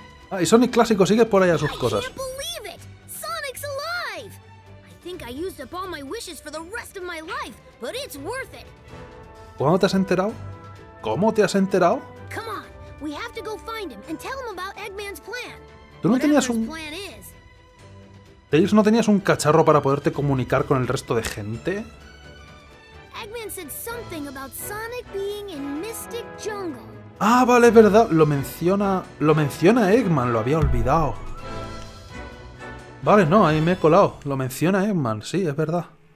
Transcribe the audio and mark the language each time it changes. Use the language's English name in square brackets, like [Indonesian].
[Spanish] Ah, y Sonic Clásico sigue por ahí a sus cosas. [English] I can't believe it! Sonic's alive! I think I used up all my wishes for the rest of my life, but it's worth it. [Spanish] ¿Cuándo te has enterado? ¿Cómo te has enterado? [English] Come on, we have to go find him and tell him about Eggman's plan. [Spanish] ¿Tú no tenías un plan? ¿Tails, no tenías un cacharro para poderte comunicar con el resto de gente? [English] Eggman said something about Sonic being in Mystic Jungle. [Spanish] Ah, vale, es verdad. Lo menciona Eggman, lo había olvidado. Vale, no, ahí me he colado. Lo menciona Eggman, sí, es verdad.